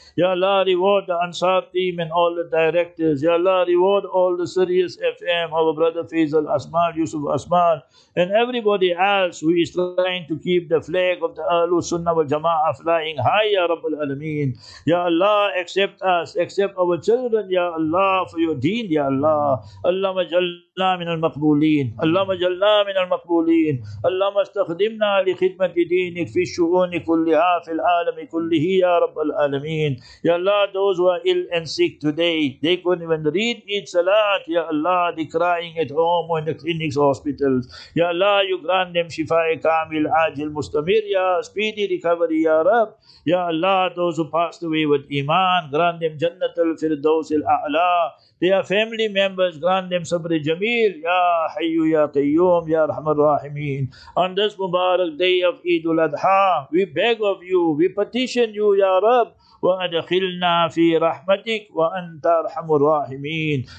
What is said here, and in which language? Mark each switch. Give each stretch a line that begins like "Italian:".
English: Ya Allah, reward the Ansar team and all the directors. Ya Allah, reward all the Sirius FM, our brother Faisal Asmal, Yusuf Asmal, and everybody else who is trying to keep the flag of the Ahlul Sunnah wal Jama'ah flying high, ya Rabbul Alameen. Ya Allah, accept us, accept our children, ya Allah, for your deen, ya Allah.
Arabic: اللهم اجعلنا من المقبولين اللهم اجعلنا من المقبولين اللهم استخدمنا لخدمة دينك في الشؤون كلها في العالم كله يا رب العالمين.
English: يا الله, those who are ill and sick today, they couldn't even read each salat, يا الله, they crying at home or in the clinics or hospitals.
Arabic: يا الله,
English: you grant them
Arabic: شفاء كامل عاجل مستمر, يا
English: speedy recovery,
Arabic: يا رب.
English: يا الله, those who passed away with iman, grant them
Arabic: جنة الفردوس الأعلى.
English: They are family members. grant them sabr jameel. Ya Hayyu Ya Qayyum Ya Rahman Rahimeen. On this Mubarak day of Eid al-Adha, we beg of you, we petition you, Ya Rab,
Arabic: wa adkhilna fi rahmatik wa anta arhamur rahimin.